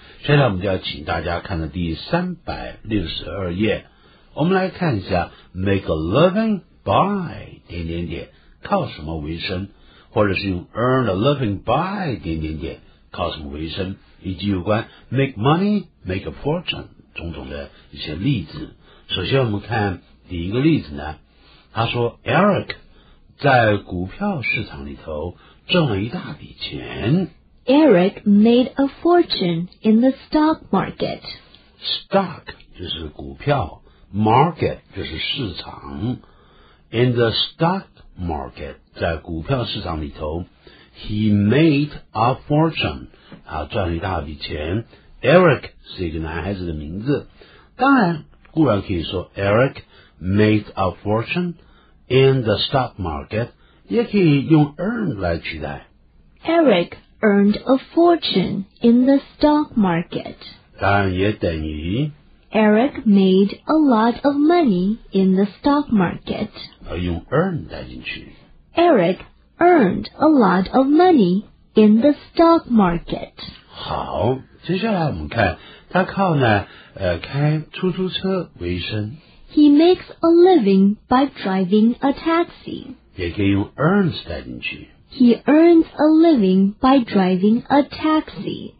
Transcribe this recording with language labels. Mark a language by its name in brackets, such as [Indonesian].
[Chinese] 现在我们就要请大家看到第362页，我们来看一下 [English] make a living by [Chinese] 点点点，靠什么为生，或者是用 [English] earn a living by [Chinese] 点点点，靠什么为生，以及有关 [English] make money make a fortune [Chinese] 种种的一些例子。首先我们看第一个例子呢，他说 Eric在股票市场里头挣了一大笔钱。 [English] Eric made a fortune in the stock market. [Chinese] Stock 就是股票， market 就是市场。 [English] In the stock market [Chinese] 在股票市场里头， [English] He made a fortune， [Chinese] 他赚了一大笔钱。 Eric 是一个男孩子的名字，当然固然可以说 [English] Eric made a fortuneIn the stock market， [Chinese] 也可以用 earn 来取代。 [English] Eric earned a fortune in the stock market. [Chinese] 当然也等于 [English] Eric made a lot of money in the stock market. [Chinese] 而用 earn 带进去。 [English] Eric earned a lot of money in the stock market. [Chinese] 好，接下来我们看，他靠呢，开出租车为生。 [English] He makes a living by driving a taxi. [Chinese] 也可以用 earns 带进去。 [English] He earns a living by driving a taxi.